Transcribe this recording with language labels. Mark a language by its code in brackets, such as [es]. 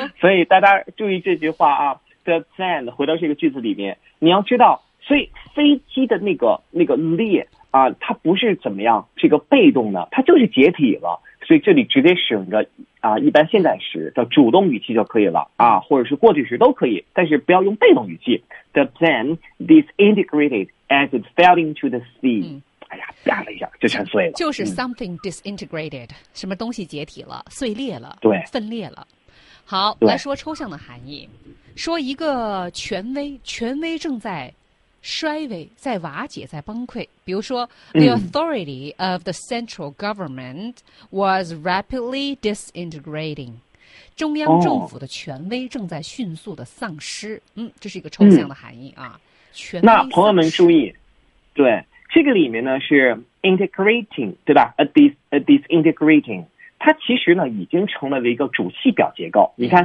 [zh] 所以大家注意这句话啊 ， [en] the plan [zh] 回到这个句子里面，你要知道，所以飞机的那个裂啊，它不是怎么样，是一个被动的，它就是解体了。所以这里直接使用着啊，一般现在时的主动语气就可以了啊，或者是过去时都可以，但是不要用被动语气。 [en] The plan disintegrated as it fell into the sea。嗯， [zh] 哎呀，啪了一下就全碎了。就是 [en] something disintegrated，嗯， [zh] 什么东西解体了，碎裂了，对，分裂了。好，来说抽象的含义，说一个权威正在衰微，在瓦解，在崩溃。比如说，嗯， [en] The authority of the central government was rapidly disintegrating. [zh] 中央政府的权威正在迅速的丧失。哦，嗯，这是一个抽象的含义啊。嗯，权威丧失。那朋友们注意，对，这个里面呢是 integrating， 对吧 ？A disintegrating， 它其实呢已经成了一个主系表结构。你看，